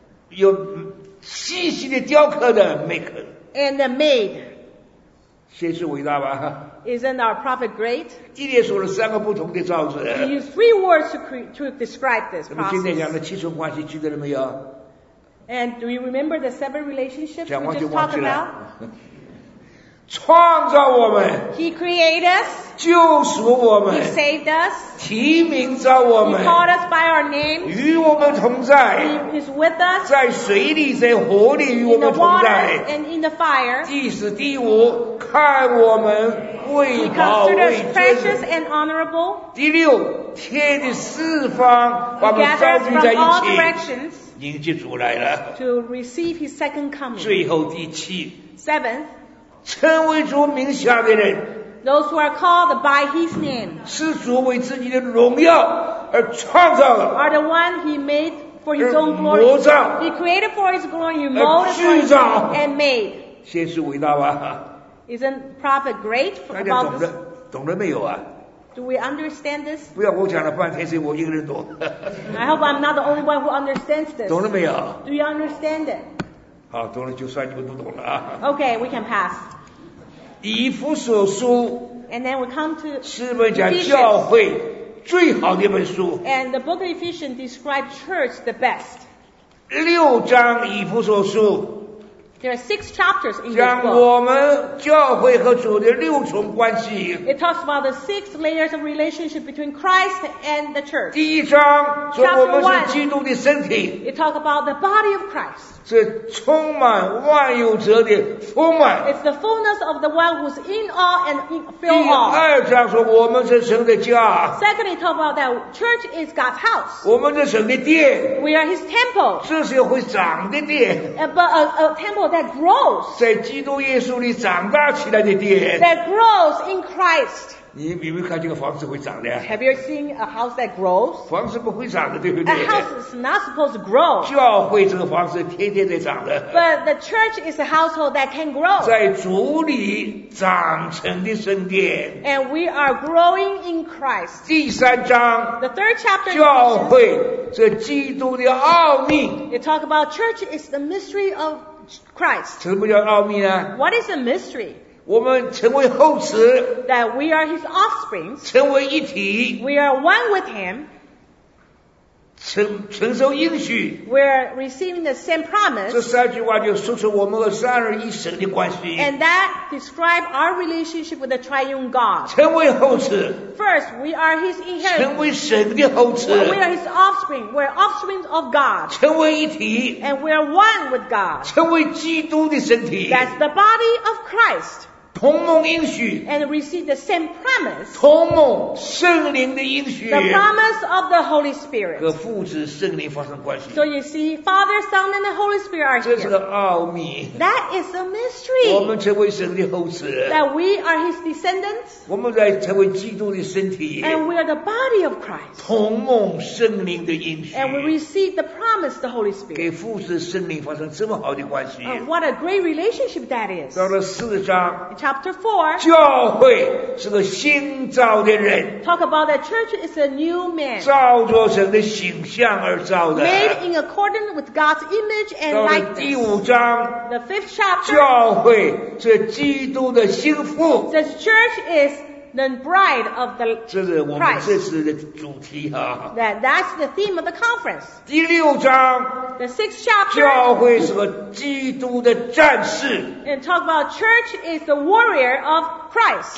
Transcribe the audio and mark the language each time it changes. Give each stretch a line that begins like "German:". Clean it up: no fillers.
Chinese: 有细细的雕刻的
English: make. And the maid.
Chinese: 先是伟大吧。
English: Isn't our prophet great?
Chinese: 一连说了三个不同的造字。
English: He used three words to describe this process.
Chinese: 我们今天讲的七重关系记得了没有？
English: And do you remember the seven relationships we just talked about?
Chinese: 创造我们。
English: He created us.
Chinese: 救赎我们。
English: He saved us.
Chinese: 提名召我们。
English: He called us by our name.
Chinese: 与我们同在。
English: He is with us.
Chinese: 在水里，在火里与我们同在。
English: In the water and in the fire.
Chinese: 第四第五，看我们为宝为尊。
English: He considered us precious and honorable.
Chinese: 第六，天的四方把我们召聚在一起。
English: From all directions.
Chinese: 迎接主来了。
English: To receive his second coming.
Chinese: 最后第七。
English: Seventh.
Chinese: 称为主名下的人
English: ，those who are called by His name，
Chinese: 是主为自己的荣耀而创造的
English: ，are the one He made for His own glory，
Chinese: 模造
English: ，He created for His glory， you molded for His glory and made，
Chinese: 先是伟大吧
English: ？Isn't prophet great for about this？
Chinese: 大家懂得懂得没有啊
English: ？Do we understand this？
Chinese: 不要我讲了半天，是我一个人懂。
English: I hope I'm not the only one who understands this。
Chinese: 懂了没有？
English: Do you understand it？
Chinese: 好，懂了就算，你们都懂了啊。
English: Okay, we can pass.
Chinese: 以弗所书。
English: And then we come to.
Chinese: 是我们讲教会最好的一本书。
English: And the book of Ephesians describes church the best.
Chinese: 六章以弗所书。
English: There are six chapters in this book.
Chinese: 讲我们教会和主的六重关系。
English: It talks about the six layers of relationship between Christ and the church.
Chinese: 第一章说我们是基督的身体。
English: It talks about the body of Christ.
Chinese: 是充满万有者的丰满。
English: It's the fullness of the one who's in all and fill all.
Chinese: 第二章说我们是神的家。
English: Secondly, talk about that church is God's house.
Chinese: 我们是神的殿。
English: We are His temple.
Chinese: 这是会长的殿。
English: But a temple. That grows,
Chinese: 在基督耶稣里长大起来的殿。
English: That grows in Christ.
Chinese: 你有没有看这个房子会长的
English: ？Have you seen a house that grows?
Chinese: 房子不会长的，对不对
English: ？A house is not supposed to grow.
Chinese: 教会这个房子天天在长的。
English: But the church is a household that can grow.
Chinese: 在主里长成的圣殿。
English: And we are growing in Christ.
Chinese: 第三章。
English: The third chapter.
Chinese: 教会是基督的奥秘。
English: It talks about church is the mystery of. Christ.
Chinese: 什么叫奥秘呢
English: ？What is a mystery？
Chinese: 我们成为后嗣
English: ，that we are His offspring，
Chinese: 成为一体
English: ，we are one with Him，
Chinese: 承受应许
English: ，we're receiving the same promise。
Chinese: 这三句话就说出我们和三位一神的关系
English: ，and that describes our relationship with the Triune God。
Chinese: 成为后嗣
English: ，first we are His inheritance，
Chinese: 成为神的后嗣
English: ，we are His offspring。 We're offspring of God.
Chinese: 成为一体
English: And we're one with God.
Chinese: 成为基督的身体
English: That's the body of Christ.
Chinese: 同蒙应许
English: And receive the same promise.
Chinese: 同蒙圣灵的应许
English: The promise of the Holy Spirit.
Chinese: 和父子圣灵发生关系
English: So you see, Father, Son, and the Holy Spirit are here.
Chinese: 这是个奥秘
English: That is a mystery.
Chinese: 我们成为神的后嗣
English: That we are His descendants.
Chinese: 我们在成为基督的身体
English: And we are the body of Christ.
Chinese: 同蒙圣灵的应许
English: And we receive the promise of the Holy Spirit.
Chinese: 给父子圣灵发生这么好的关系
English: What a great relationship that is.
Chinese: 到了四章
English: Chapter 4.
Chinese: 教会是个新造的人
English: Talk about that church is a new man.
Chinese: 造作神的形象而造的
English: Made in accordance with God's image and likeness.
Chinese: 到了第五章
English: The fifth chapter.
Chinese: 教会是基督的心腹
English: This church isThe bride of the Christ.
Chinese: 这是我们这次的主题啊。
English: That's the theme of the conference.
Chinese: 第六章。
English: The sixth chapter.
Chinese: 教会是个基督的战士。
English: And talk about church is the warrior of Christ.